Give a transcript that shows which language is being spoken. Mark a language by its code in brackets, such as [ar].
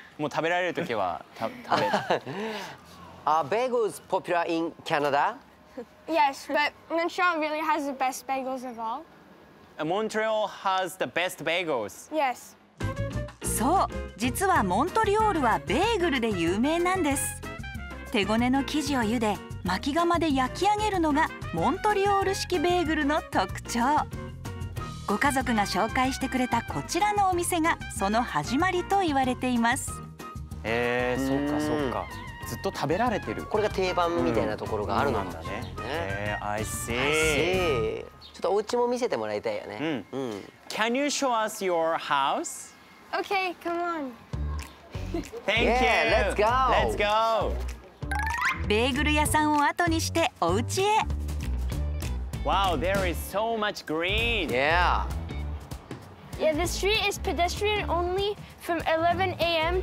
[ja] もう食べられる時は食べる。 [en] Are bagels popular in Canada? Yes, but Montreal really has the best bagels of all. Montreal has the best bagels. Yes. [ja] そう、実はモントリオールはベーグルで有名なんです。手ごねの生地を茹で、巻き窯で焼き上げるのがモントリオール式ベーグルの特徴。ご家族が紹介してくれたこちらのお店がその始まりと言われています。そうかそうか。ずっと食べられてる。これが定番みたいなところがあるのかもしれないね。I [en] see. [ja] ちょっとお家も見せてもらいたいよね。 [en] Can you show us your house? Okay, come on. Thank you. Yeah, let's go. Let's go. [ja] ベーグル屋さんを後にしてお家へ。 [en] Wow, there is so much green. Yeah. Yeah, the street is pedestrian only from 11 a.m.